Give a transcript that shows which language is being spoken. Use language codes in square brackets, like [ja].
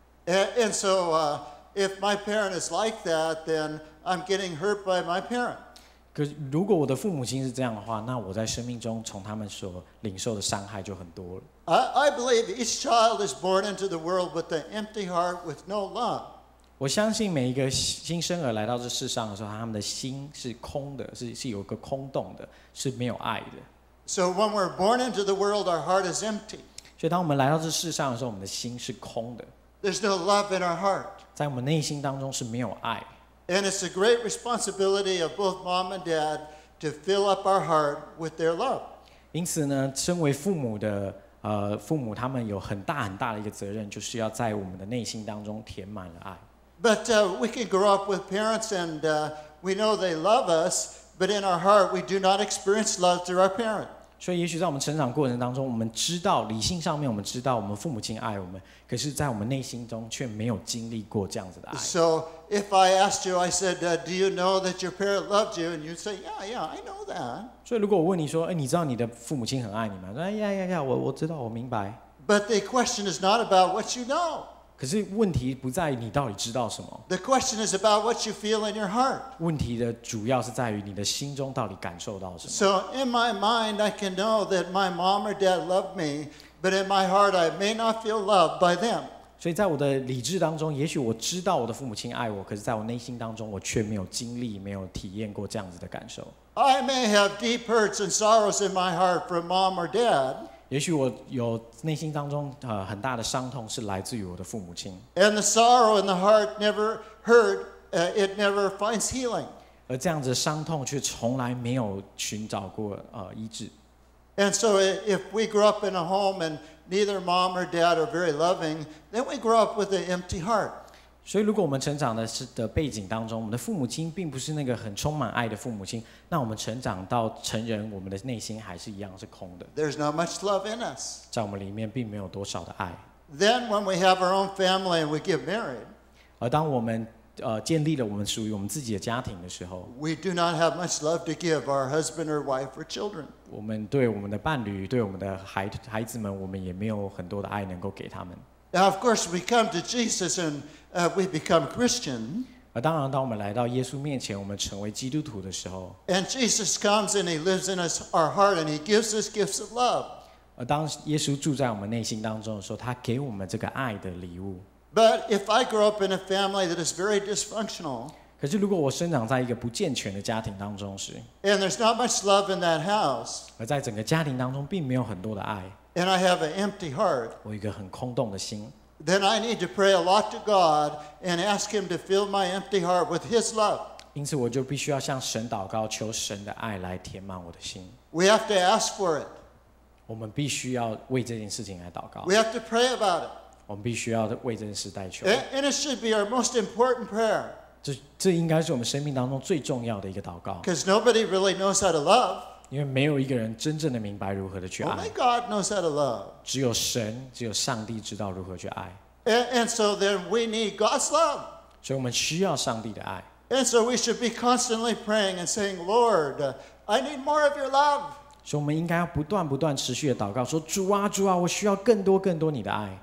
[en] And so, if my parent is like that, then I'm getting hurt by my parent. [zh] 可如果我的父母亲是这样的话，那我在生命中从他们所领受的伤害就很多了。 [en] I believe each child is born into the world with an empty heart, with no love. [zh] 我相信每一个新生儿来到这世上的时候，他们的心是空的，是有一个空洞的，是没有爱的。 [en] So when we're born into the world, our heart is empty. [zh] 所以当我们来到这世上的时候，我们的心是空的。 [en] There's no love in our heart. [zh] 在我们内心当中是没有爱。 [en] And it's a great responsibility of both mom and dad to fill up our heart with their love. [zh] 因此呢，身为父母的父母，他们有很大很大的一个责任，就是要在我们的内心当中填满了爱。 [en] But we can grow up with parents, and we know they love us. But in our heart, we do not experience love through our parent. [zh] 所以，也许在我们成长过程当中，我们知道理性上面我们知道我们父母亲爱我们，可是，在我们内心中却没有经历过这样子的爱。 [en] So if I asked you, I said, "Do you know that your parent loved you?" And you'd say, "Yeah, yeah, I know that." [zh] 所以，如果我问你说，哎，你知道你的父母亲很爱你吗？说，哎呀呀呀，我知道，我明白。 [en] But the question is not about what you know. [zh] 可是问题不在于你到底知道什么。 [en] The question is about what you feel in your heart. [zh] 问题的主要是在于你的心中到底感受到什么。 [en] So in my mind, I can know that my mom or dad loved me, but in my heart, I may not feel loved by them. [zh] 所以在我的理智当中，也许我知道我的父母亲爱我，可是在我内心当中，我却没有经历、没有体验过这样子的感受。 [en] I may have deep hurts and sorrows in my heart from mom or dad. [zh] 也许我有内心当中很大的伤痛是来自于我的父母亲。 [en] And the sorrow in the heart never hurt, it never finds healing. [zh] 而这样子的伤痛却从来没有寻找过医治。 [en] And so if we grew up in a home and neither mom or dad are very loving, then we grew up with an empty heart. [zh] 所以如果我们成长的背景当中，我们的父母亲并不是那个很充满爱的父母亲。那我们成长到成人，我们的内心还是一样是空的。 [en] There's not much love in us. [zh] 在我们里面并没有多少的爱。 [en] Then when we have our own family and we get married, [zh] 而当我们建立了我们属于我们自己的家庭的时候 [en] ，we do not have much love to give our husband or wife or children. [zh] 我们对我们的伴侣、对我们的孩子们，我们也没有很多的爱能够给他们。 [en] Now, of course, we come to Jesus and we become Christian. [zh] 当然，当我们来到耶稣面前，我们成为基督徒的时候 [en] ，And Jesus comes and He lives in us, our heart, and He gives us gifts of love. [zh] 当耶稣住在我们内心当中的时候，他给我们这个爱的礼物。 [en] But if I grow up in a family that is very dysfunctional, [zh] 可是如果我生长在一个不健全的家庭当中时， [en] and there's not much love in that house, [zh] 而在整个家庭当中并没有很多的爱， [en] and I have an empty heart, [zh] 我有一个很空洞的心， [en] then I need to pray a lot to God and ask Him to fill my empty heart with His love. [zh] 因此我就必须要向神祷告，求神的爱来填满我的心。 [en] We have to ask for it. [zh] 我们必须要为这件事情来祷告。 [en] We have to pray about it. [zh] 我们必须要为这件事代求。 [en] And it should be our most important prayer. [zh] 这应该是我们生命当中最重要的一个祷告。 [en] Because nobody really knows how to love. [zh] 因为没有一个人真正的明白如何的去爱。 [en] Only God knows how to love. [zh] 只有神，只有上帝知道如何去爱。 [en] And so then we need God's love. [zh] 所以我们需要上帝的爱。 [en] And so we should be constantly praying and saying, Lord, I need more of your love. [zh] 所以我们应该要不断不断持续的祷告，说主啊主啊，我需要更多更多你的爱。